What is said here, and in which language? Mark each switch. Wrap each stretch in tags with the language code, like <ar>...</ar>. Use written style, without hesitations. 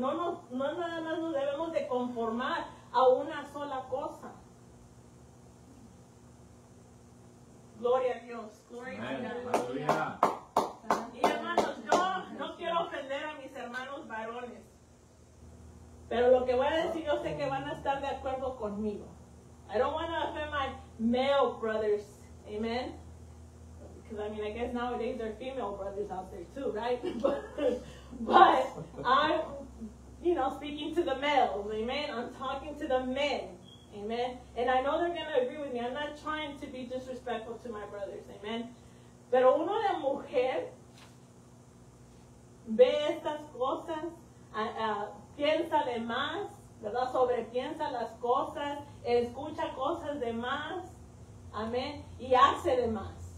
<es>No, debemos de conformar a una sola cosa. Gloria a Dios. Gloria a Dios. Y hermanos, yo no quiero ofender a mis hermanos varones. Pero lo que voy a decir, yo sé que van a estar de acuerdo conmigo.</es> <en>I don't want to offend my male brothers, amen? Because, I mean, I guess nowadays there are female brothers out there too, right? But I'm, you know, speaking to the males, amen? I'm talking to the men, amen? And I know they're going to agree with me. I'm not trying to be disrespectful to my brothers, amen?</en> <es>Pero uno de mujer ve estas cosas, piensa de más, ¿verdad? Sobrepiensa las cosas, escucha cosas de más, amén, y hace de más.</es>